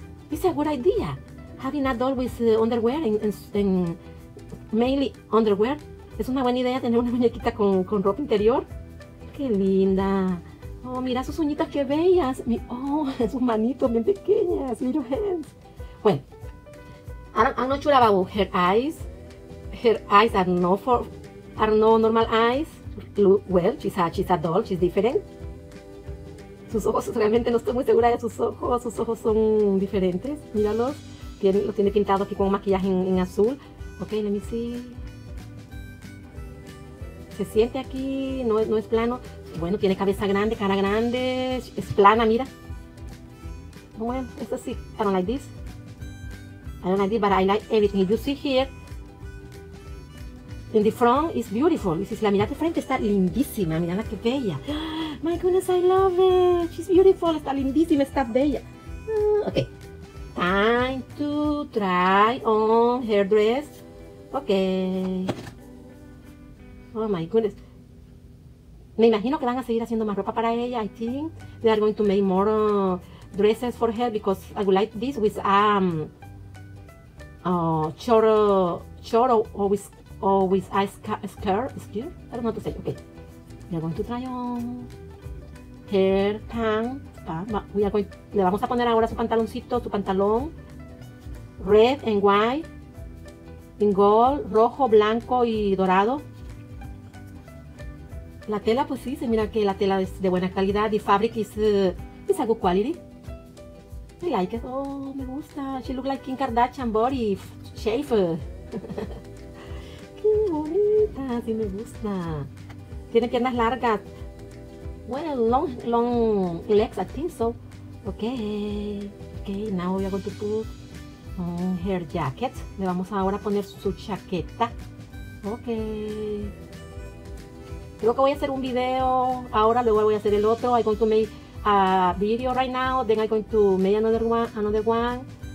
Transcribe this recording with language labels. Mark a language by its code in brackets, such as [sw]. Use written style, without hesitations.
[en] It's a good idea, having a doll with underwear, and mainly underwear. [es] Es una buena idea tener una muñequita con ropa interior. Qué linda. Oh, mira sus uñitas, qué bellas. [en] Oh, [es] sus manitos bien pequeñas, [en] little hands. Well, I'm not sure about her eyes. Her eyes are not for... Are no normal eyes. Well, she's a doll, she's different. [es] Sus ojos, realmente no estoy muy segura de sus ojos son diferentes. Míralos, lo tiene pintado aquí con maquillaje en azul. [en] Ok, let me see. [es] Se siente aquí, no es plano. Bueno, tiene cabeza grande, cara grande, es plana, mira. Bueno, esto sí, [en] I don't like this, but I like everything. You see here, in the front is beautiful. [es] Si la miras de frente está lindísima. Mírala qué bella. [en] My goodness, I love it. She's beautiful. [es] Está lindísima, está bella. [en] Okay. Time to try on her dress. Okay. Oh my goodness. [es] Me imagino que van a seguir haciendo más ropa para ella. [en] I think they are going to make more dresses for her because I would like this with short or with a skirt, I don't know how to say. Okay, we are going to try on her pants. [es] Le vamos a poner ahora su pantaloncito, su pantalón. [en] Red and white, in gold, [es] rojo, blanco y dorado. La tela, pues sí, se mira que la tela es de buena calidad. [en] The fabric is a good quality. I like it. Oh, [es] me gusta. [en] She looks like Kim Kardashian body shape. [es] Bonita, sí me gusta. Tiene piernas largas. [en] Well, long legs, I think so. Okay, now we are going to put on her jacket. [es] Le vamos ahora a poner su chaqueta. Okay. Creo que voy a hacer un video ahora, luego voy a hacer el otro. [en] I'm going to make a video right now, then I'm going to make another one.